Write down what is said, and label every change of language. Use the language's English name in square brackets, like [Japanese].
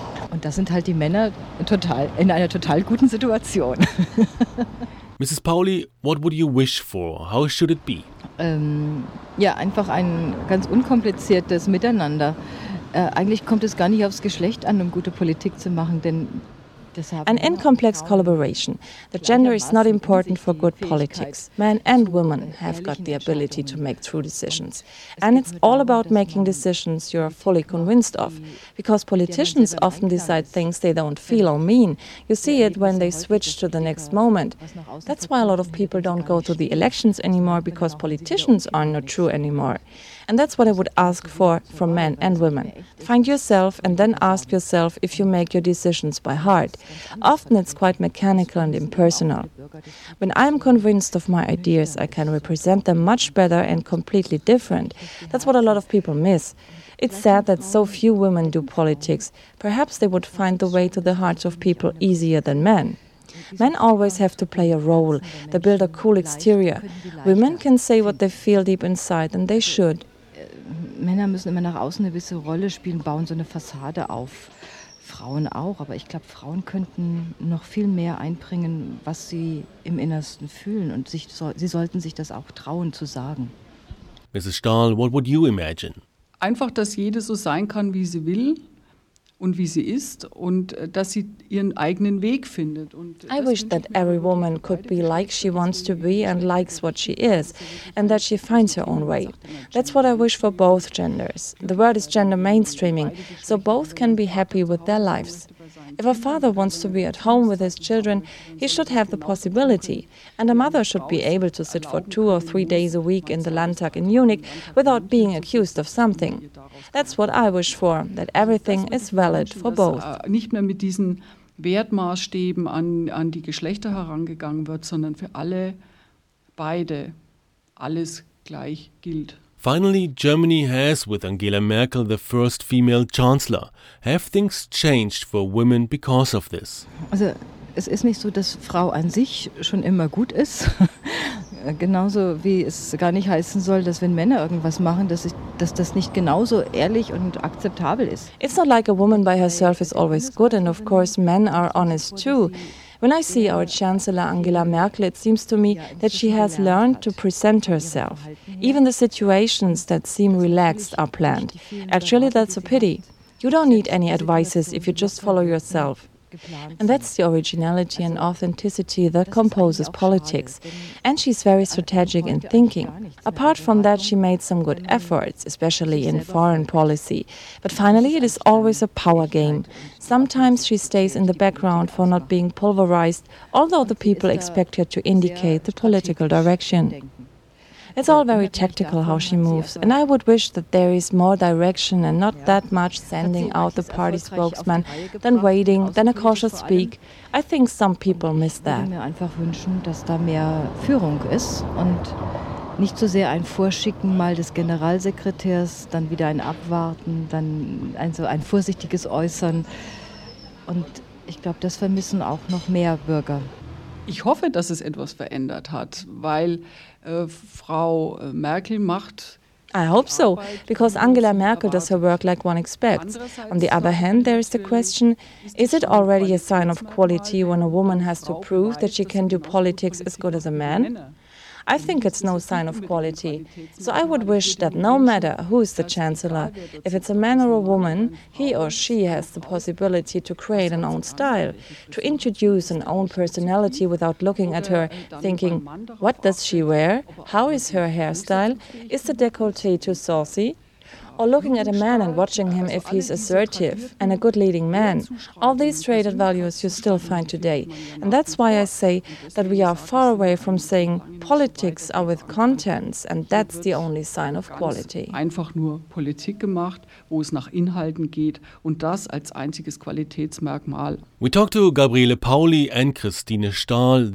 [German] Und das sind halt die Männer total in einer total guten Situation. [English] Mrs. Pauli, what would you wish for? How should it be? [German] Ja, einfach ein ganz unkompliziertes Miteinander. Eigentlich kommt es gar nicht aufs Geschlecht an, um gute Politik zu machen, denn [English] an incomplex collaboration. The gender is not important for good politics. Men and women have got the ability to make true decisions. And it's all about making decisions you are fully convinced of. Because politicians often decide things they don't feel or mean. You see it when they switch to the next moment. That's why a lot of people don't go to the elections anymore, because politicians are not true anymore. And that's what I would ask for from men and women. Find yourself and then ask yourself if you make your decisions by heart. Often it's quite mechanical and impersonal. When I am convinced of my ideas, I can represent them much better and completely different. That's what a lot of people miss. It's sad that so few women do politics. Perhaps they would find the way to the hearts of people easier than men. Men always have to play a role. They build a cool exterior. Women can say what they feel deep inside, and they should. [German] Männer müssen immer nach außen eine gewisse Rolle spielen, bauen so eine Fassade auf. Frauen auch, aber ich glaube, Frauen könnten noch viel mehr einbringen, was sie im Innersten fühlen und sich sie sollten sich das auch trauen zu sagen. [English] Mrs. Stahl, what would you imagine? [German] Einfach, dass jede so sein kann, wie sie will, und wie sie ist und dass sie ihren eigenen Weg findet. Und [English] I wish that every woman could be like she wants to be and likes what she is and that she finds her own way. That's what I wish for both genders. The word is gender mainstreaming, so both can be happy with their lives. If a father wants to be at home with his children, he should have the possibility. And a mother should be able to sit for 2 or 3 days a week in the Landtag in Munich without being accused of something. That's what I wish for, that everything is valid for both. [German] Nicht mehr mit diesen Wertmaßstäben an die Geschlechter herangegangen wird, sondern für alle, beide, alles gleich gilt. [English] Finally, Germany has, with Angela Merkel, the first female chancellor. Have things changed for women because of this? [German] Also, es ist nicht so, dass Frau an sich schon immer gut ist. Genauso wie es gar nicht heißen soll, dass wenn Männer irgendwas machen, dass das nicht genauso ehrlich und akzeptabel ist. [English] It's not like a woman by herself is always good, and of course men are honest too. When I see our Chancellor Angela Merkel, it seems to me that she has learned to present herself. Even the situations that seem relaxed are planned. Actually, that's a pity. You don't need any advices if you just follow yourself. And that's the originality and authenticity that composes politics. And she's very strategic in thinking. Apart from that, she made some good efforts, especially in foreign policy. But finally, it is always a power game. Sometimes she stays in the background for not being pulverized, although the people expect her to indicate the political direction. It's all very tactical how she moves, and I would wish that there is more direction and not that much sending out the party spokesman, then waiting, then a cautious speak. I think some people miss that. [German] Ich würde mir einfach wünschen, dass da mehr Führung ist und nicht so sehr ein Vorschicken mal des Generalsekretärs, dann wieder ein Abwarten, dann also ein vorsichtiges Äußern. Und ich glaube, das vermissen auch noch mehr Bürger. Ich hoffe, dass es etwas verändert hat, weil Frau Merkel macht. [English] I hope so, because Angela Merkel does her work like one expects. On the other hand, there is the question, is it already a sign of quality when a woman has to prove that she can do politics as good as a man? I think it's no sign of quality. So I would wish that no matter who is the chancellor, if it's a man or a woman, he or she has the possibility to create an own style, to introduce an own personality without looking at her, thinking, what does she wear? How is her hairstyle? Is the décolleté too saucy? Or looking at a man and watching him if he's assertive and a good leading man. All these traded values you still find today. And that's why I say that we are far away from saying politics are with contents and that's the only sign of quality. [German] Einfach nur Politik gemacht, wo es nach Inhalten geht und das als einziges Qualitätsmerkmal. [English] We talked to Gabriele Pauli and Christine Stahl.